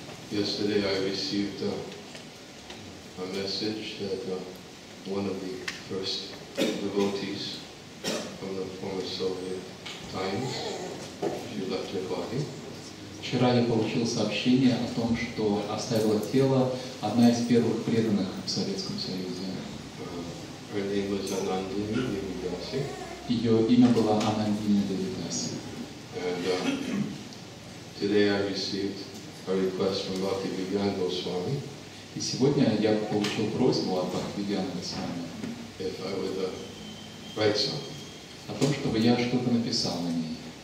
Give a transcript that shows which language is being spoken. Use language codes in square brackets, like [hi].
[en] Yesterday I received a message that one of the first devotees from the former Soviet Times, if you left your body. [ru] Вчера я получил сообщение о том, что оставила тело одна из первых преданных в Советском Союзе. [en] Her name was Anandini Devidasi. [ru] Ее имя было Анандини Девидаси. [en] And today I received a request from Bhakti Vigyan Goswami. [ru] И сегодня я получил просьбу от Бхакти Вигьяна Госвами. [en] If I would write something. [ru] О том, чтобы я что-то написал на ней.